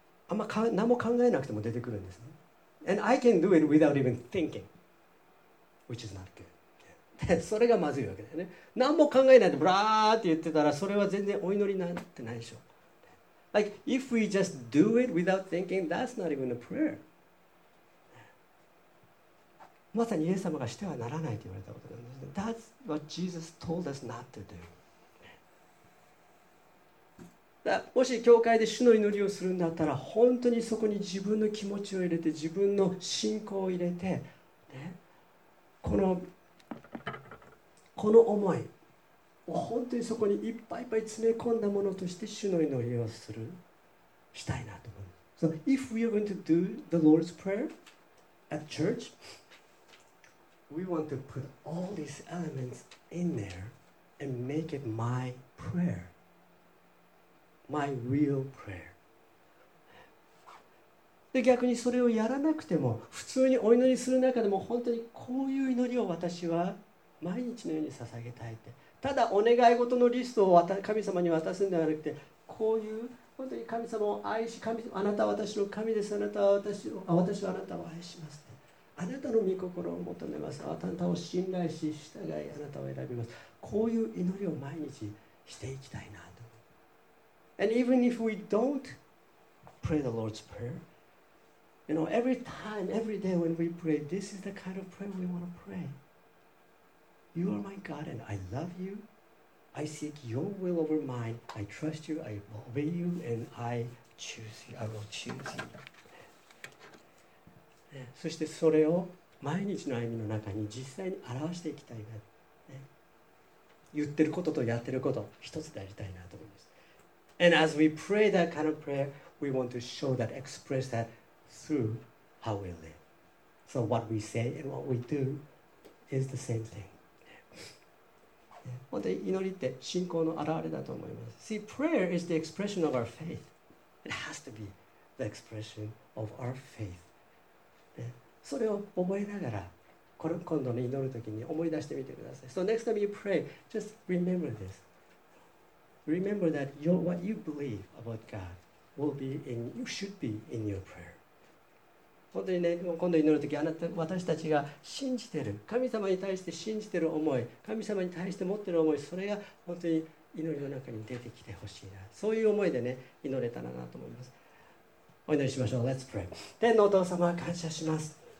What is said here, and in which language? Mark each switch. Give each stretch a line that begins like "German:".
Japanese: あんま何も考えなくても出てくるんですね。
English: And I can do it without even thinking, which is not good.
Japanese: それがまずいわけだよね。何も考えないでブラーって言ってたら、それは全然お祈りなんてないでしょ。
English: Like, if we just do it without thinking, that's not even a prayer.
Japanese: まさにイエス様がしてはならないと言われたことなんですね。
English: That's what Jesus told us not to do.
Japanese: もし教会で主の祈りをするんだったら、本当にそこに自分の気持ちを入れて、自分の信仰を入れて、ね、この思いを本当にそこにいっぱいいっぱい詰め込んだものとして主の祈りをするしたいなと思う。
English: So if we are going to do the Lord's Prayer at church, we want to put all these elements in there and make it my prayer. My real prayer.
Japanese: で逆にそれをやらなくても普通にお祈りする中でも本当にこういう祈りを私は毎日のように捧げたいって、ただお願い事のリストを神様に渡すんではなくて、こういう本当に神様を愛し、神、あなたは私の神です、あなたは私はあなたを愛しますって、あなたの御心を求めます、あなたを信頼し従い、あなたを選びます、こういう祈りを毎日していきたいな。
English: And even if we don't pray the Lord's Prayer, you know, every time, every day when we pray, this is the kind of prayer we want to pray. You are my God and I love you. I seek your will over mine. I trust you. I obey you. And I choose you. I will choose you.、ね、
Japanese: そしてそれを毎日の歩みの中に実際に表していきたいな、ね、言ってることとやってること一つでありたいなと思います。
English: And as we pray that kind of prayer, we want to show that, express that through how we live. So what we say and what we do is the same thing.
Japanese: 本当に祈りって信仰の表れだと思います。
English: See, prayer is the expression of our faith. It has to be the expression of our faith.、
Japanese: ね、それを覚えながら、これ今度、ね、祈るときに思い出してみてください。
English: So next time you pray, just remember this. Remember that your, what you believe about God will be in, you should be in your prayer.
Japanese: 本当にね、今度祈るとき、私たちが信じている、神様に対して信じている思い、神様に対して持っている思い、それが本当に祈りの中に出てきてほしいな。そういう思いでね、祈れたらなと思います。お祈りしましょう。
English: Let's pray.
Japanese: 天のお父様、感謝します。